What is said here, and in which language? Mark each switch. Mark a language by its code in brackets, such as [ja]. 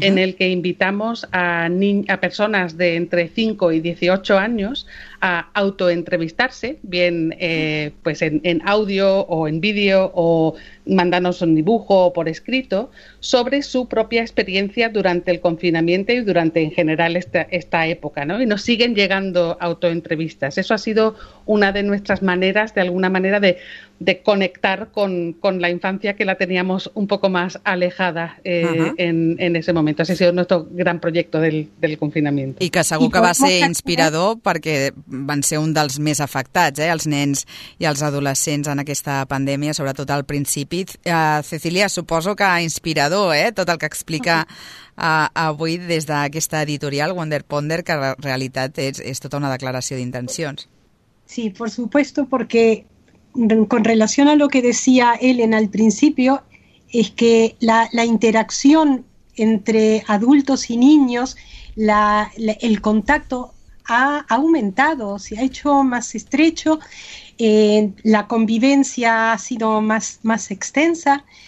[es] en el que invitamos a personas de entre 5 y 18 años a autoentrevistarse, bien pues en audio o en vídeo o mandarnos un dibujo o por escrito, sobre su propia experiencia durante el confinamiento y durante en general esta época, ¿no? Y nos siguen llegando autoentrevistas. Eso ha sido una de nuestras maneras, de alguna manera, de conectar con la infancia, que la teníamos un poco más alejada en ese momento. Ese ha sido nuestro gran proyecto del confinamiento. [ca] I que segur que va ser inspirador, perquè van ser un dels més afectats, els nens i els adolescents en aquesta pandèmia, sobretot al principi. Cecília, suposo que inspirador, tot el que explica avui des d'aquesta editorial Wonder Ponder, que en realitat és tota una declaració d'intencions. [es] Sí, por supuesto, porque con relación a lo que decía Ellen al principio, es que la interacción entre adultos y niños, el contacto ha aumentado, se ha hecho más estrecho, la convivencia ha sido más extensa,